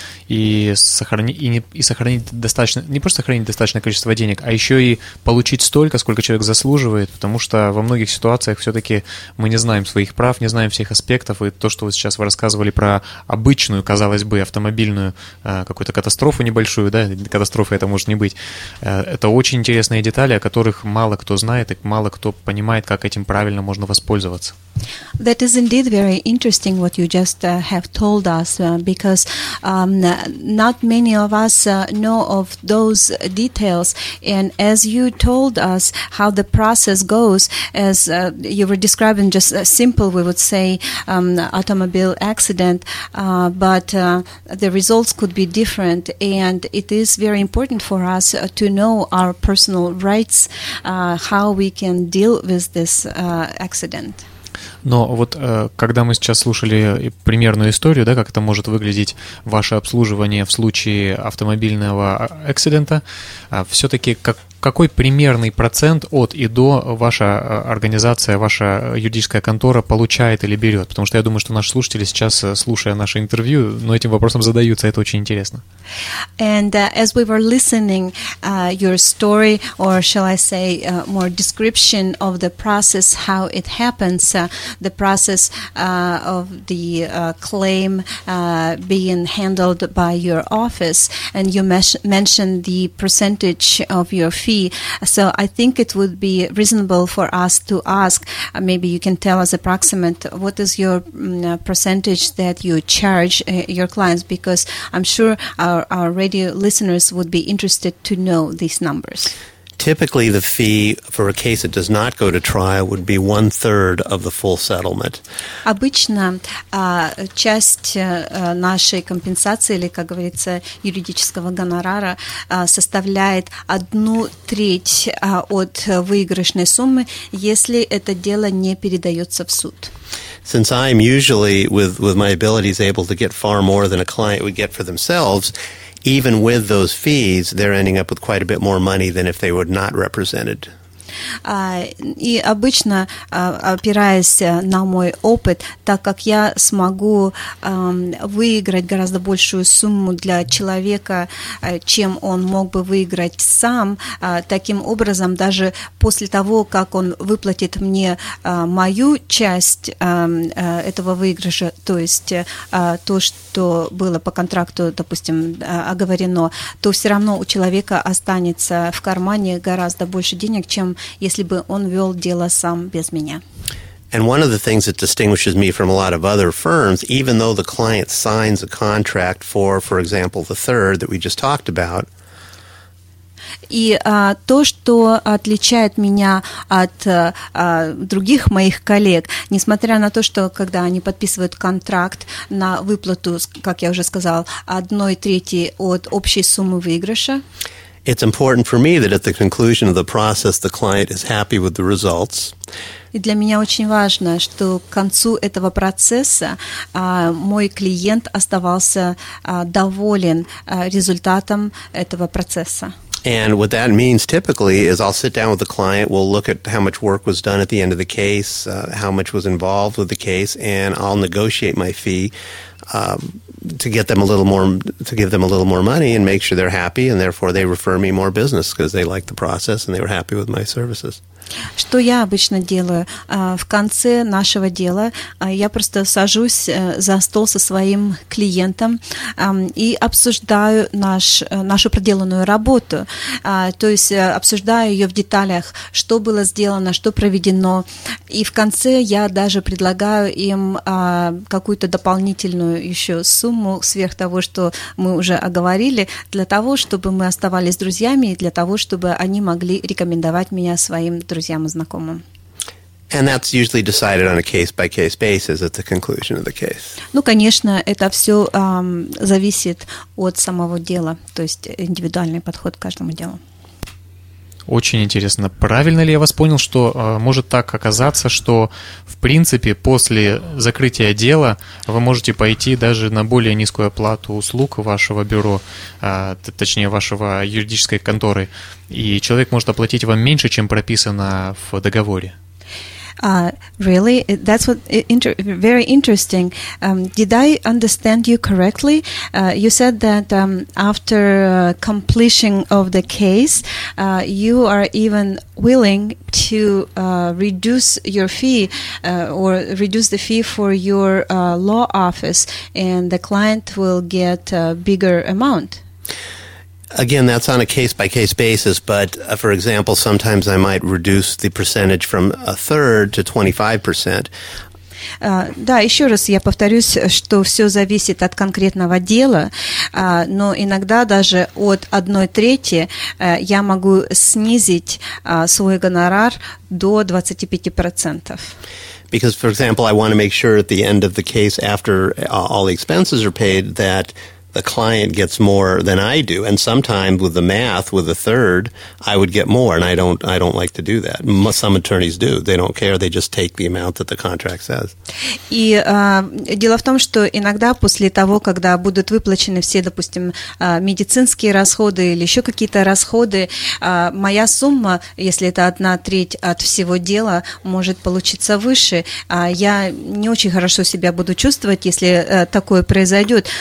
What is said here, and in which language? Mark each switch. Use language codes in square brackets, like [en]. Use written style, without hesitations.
[ru] и сохранить достаточное количество денег, а еще и получить столько, сколько человек заслуживает, потому что во многих ситуациях все-таки мы не знаем своих прав, не знаем всех аспектов, и то, что вы сейчас рассказывали про обычную, казалось бы, автомобильную какую-то катастрофу небольшую, да, катастрофы это может не быть, это очень интересные детали, о которых мало кто знает и мало кто понимает, как этим правильно можно воспользоваться. [en] That is indeed very interesting what you just have told us because not many of us know of those details, and as you told us how the process goes, as you were describing just a simple, we would say, automobile accident, but the results could be different, and it is very important for us to know our personal rights, how we can deal with this accident. [ru] Но вот когда мы сейчас слушали примерную историю, да, как это может выглядеть ваше обслуживание в случае автомобильного эксцидента, все-таки какой примерный процент от и до ваша организация, ваша юридическая контора получает или берет? Потому что я думаю, что наши слушатели сейчас, слушая наше интервью, но этим вопросом задаются, это очень интересно. [en] And as we were listening your story, or shall I say more description of the process, how it happens, the process of the claim being handled by your office, and you mentioned the percentage of your fee. philosophy. So I think it would be reasonable for us to ask, maybe you can tell us approximate, what is your percentage that you charge your clients? Because I'm sure our radio listeners would be interested to know these numbers. Typically, the fee for a case that does not go to trial would be one-third of the full settlement. [ru] Обычно часть нашей компенсации, или, как говорится, юридического гонорара, составляет одну треть от выигрышной суммы, если это дело не передается в суд. [en] Since I'm usually, with my abilities, able to get far more than a client would get for themselves, even with those fees, they're ending up with quite a bit more money than if they were not represented. [ru] И обычно, опираясь на мой опыт, так как я смогу выиграть гораздо большую сумму для человека, чем он мог бы выиграть сам, таким образом, даже после того, как он выплатит мне мою часть этого выигрыша, то есть то, что было по контракту, допустим, оговорено, то все равно у человека останется в кармане гораздо больше денег, чем если бы он вел дело сам без меня. [en] And one of the things that distinguishes me from a lot of other firms, even though the client signs a contract for example, the third that we just talked about, [ru] и то, что отличает меня от других моих коллег, несмотря на то, что когда они подписывают контракт на выплату, как я уже сказал, одной трети от общей суммы выигрыша, [en] it's important for me that at the conclusion of the process the client is happy with the results. [ru] И для меня очень важно, что к концу этого процесса мой клиент оставался доволен результатом этого процесса. [en] And what that means typically is I'll sit down with the client, we'll look at how much work was done at the end of the case, how much was involved with the case, and I'll negotiate my fee to give them a little more money and make sure they're happy, and therefore they refer me more business because they like the process and they were happy with my services. [ru] Что я обычно делаю? В конце нашего дела я просто сажусь за стол со своим клиентом и обсуждаю нашу проделанную работу, то есть обсуждаю ее в деталях, что было сделано, что проведено, и в конце я даже предлагаю им какую-то дополнительную еще сумму сверх того, что мы уже оговорили, для того, чтобы мы оставались друзьями и для того, чтобы они могли рекомендовать меня своим друзьям и знакомым. [en] And that's usually decided on a case-by-case basis at the conclusion of the case. [ru] Ну, конечно, это все зависит от самого дела, то есть индивидуальный подход к каждому делу. Очень интересно, правильно ли я вас понял, что может так оказаться, что в принципе после закрытия дела вы можете пойти даже на более низкую оплату услуг вашего бюро, точнее вашего юридической конторы, и человек может оплатить вам меньше, чем прописано в договоре? [en] Really? That's what very interesting. Did I understand you correctly? You said that after completion of the case, you are even willing to reduce your fee or reduce the fee for your law office, and the client will get a bigger amount. Again, that's on a case-by-case basis, but for example, sometimes I might reduce the percentage from a third to 25%. [ru] Да, еще раз я повторюсь, что все зависит от конкретного дела, но иногда даже от одной трети я могу снизить свой гонорар до 25%. [en] Because, for example, I want to make sure at the end of the case, after all the expenses are paid, that the client gets more than I do, and sometimes with the math, with a third, I would get more, and I don't like to do that. Some attorneys do; they don't care; they just take the amount that the contract says. [ru] И дело в том, что иногда после того, когда будут выплачены все, допустим, медицинские расходы или еще какие-то расходы, моя сумма, если это одна треть от всего дела, может получиться выше. Я не очень хорошо себя буду чувствовать, если такое произойдет.